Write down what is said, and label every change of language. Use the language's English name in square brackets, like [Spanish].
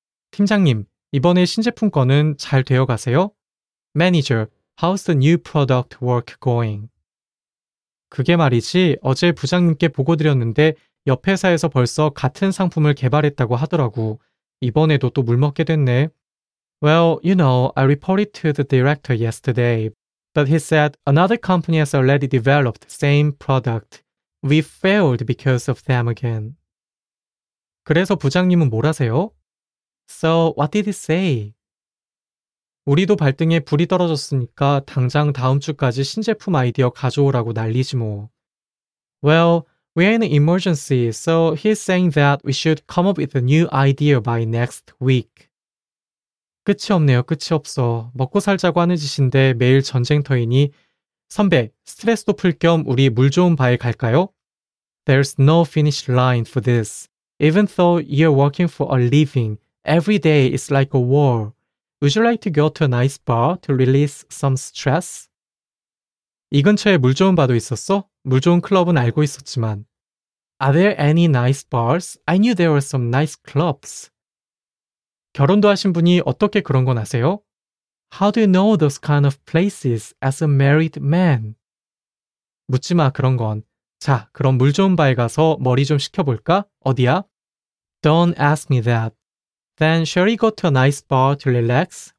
[Korean] 팀장님, 이번에 신제품 거는 잘 되어 가세요? [English] Manager, how's the new product work going? [Korean] 그게 말이지, 어제 부장님께 보고 드렸는데 옆 회사에서 벌써 같은 상품을 개발했다고 하더라고. 이번에도 또 물 먹게 됐네. [English] Well, you know, I reported to the director yesterday, but he said another company has already developed the same product. We failed because of them again. [Korean] 그래서 부장님은 뭘 하세요? [English] So, what did he say? [Korean] 우리도 발등에 불이 떨어졌으니까 당장 다음 주까지 신제품 아이디어 가져오라고 난리지 뭐. [English] Well, we are in an emergency, so he's saying that we should come up with a new idea by next week. [Korean] 끝이 없네요, 끝이 없어. 먹고 살자고 하는 짓인데 매일 전쟁터이니. 선배, 스트레스도 풀 겸 우리 물 좋은 바에 갈까요? [English] There's no finish line for this. Even though you're working for a living, every day is like a war. Would you like to go to a nice bar to release some stress? [Korean] 이 근처에 물 좋은 바도 있었어? 물 좋은 클럽은 알고 있었지만. [English] Are there any nice bars? I knew there were some nice clubs. [Korean] 결혼도 하신 분이 어떻게 그런 건 아세요? [English] How do you know those kind of places as a married man? [Korean] 묻지 마, 그런 건. 자, 그럼 물 좋은 바에 가서 머리 좀 식혀볼까? 어디야? [English] Don't ask me that. Then shall we go to a nice bar to relax?